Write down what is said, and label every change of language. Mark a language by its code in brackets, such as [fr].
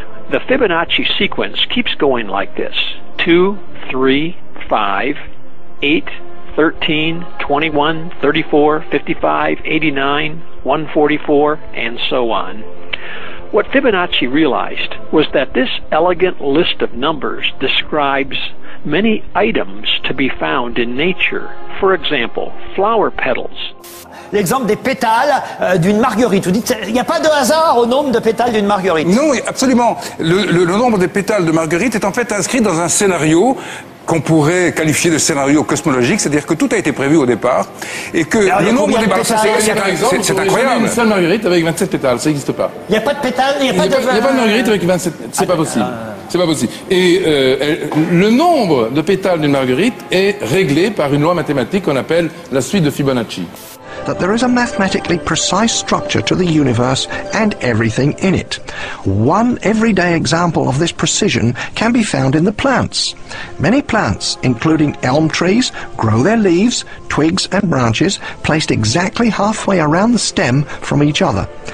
[en] The Fibonacci sequence keeps going like this. 2, 3, 5, 8, 13, 21, 34, 55, 89, 144, and so on. What Fibonacci realized was that this elegant list of numbers describes many items to be found in nature. For example, flower petals. [fr] L'exemple des pétales d'une marguerite. Vous dites, il n'y a pas de hasard au nombre de pétales d'une marguerite. Non, absolument. Le nombre des pétales de marguerite est en fait inscrit dans un scénario qu'on pourrait qualifier de scénario cosmologique, c'est-à-dire que tout a été prévu au départ, et que le nombre des pétales, c'est incroyable. Une seule marguerite avec 27 pétales, ça n'existe pas. Il n'y a pas de pétales, il n'y a pas de marguerite avec 27, c'est pas possible. C'est pas possible. Et le nombre de pétales d'une marguerite est réglé par une loi mathématique qu'on appelle la suite de Fibonacci. [en] That there is a mathematically precise structure to the universe and everything in it. One everyday example of this precision can be found in the plants. Many plants, including elm trees, grow their leaves, twigs and branches placed exactly halfway around the stem from each other.